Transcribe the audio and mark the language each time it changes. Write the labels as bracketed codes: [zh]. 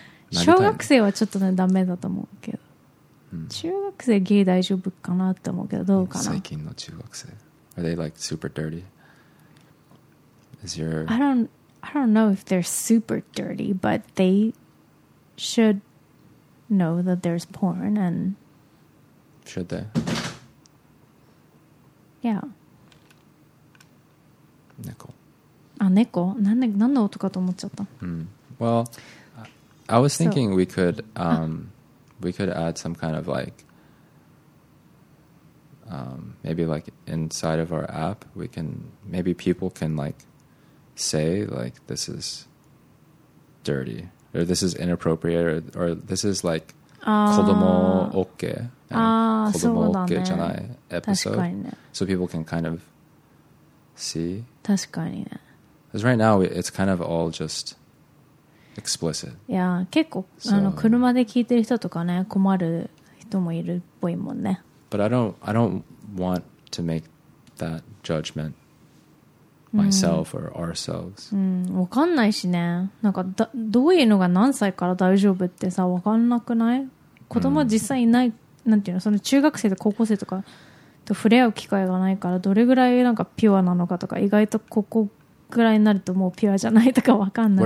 [ja] 小学生はちょっとね、ダメだと思うけど。うん、中学生ギリ大丈夫かなって思うけど、どうかな。最近の中学生。 [en] Are they like super dirty? Is your... I don't know if they're super dirty, but they should know that there's porn and... Should they? Yeah. [ja] 猫。あ、猫？なんで、何の音かと思っちゃった。 Mm. [en] Well, I was thinking we could, we could add some kind of like, maybe like inside of our app, we can, maybe people can like say like, this is dirty, or this is inappropriate, or this is like, [ja] 子供 [en] OK。 [ja] ああ、そうだね。じゃない、エピソード。確かにね。 [en] So people can kind of see. [ja] 確かにね。 [en] Because right now it's kind of all just explicit. [ja] いや、結構、so, あの車で聞いてる人とかね、困る人もいるっぽいもんね。 [en] But I don't want to make that judgment myself or ourselves. [ja] うん、わかんないしね。なんかどういうのが何歳から大丈夫ってさ、わかんなくない？子供実際いない。なんていうの、その中学生と高校生とかと触れ合う機会がないから、どれぐらいなんかピュアなのかとか、意外とここぐらいになるともうピュアじゃないとかわかんない。